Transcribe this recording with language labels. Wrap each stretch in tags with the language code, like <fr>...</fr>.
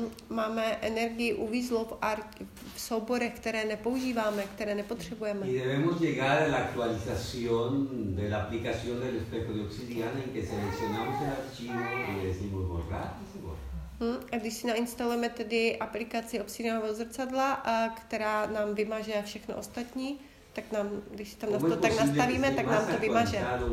<cs>Máme energii uvízlo v souborech, které nepoužíváme, které nepotřebujeme.</cs> <es>Y debemos llegar a la actualización de la aplicación del espejo de obsidiana en que seleccionamos el archivo y decimos borrar.</es> <cs>A když si nainstalujeme tedy aplikaci obsidianového zrcadla, která nám vymaže všechno ostatní, tak nám, když si tam to tak nastavíme, tak nám to vymaže.</cs>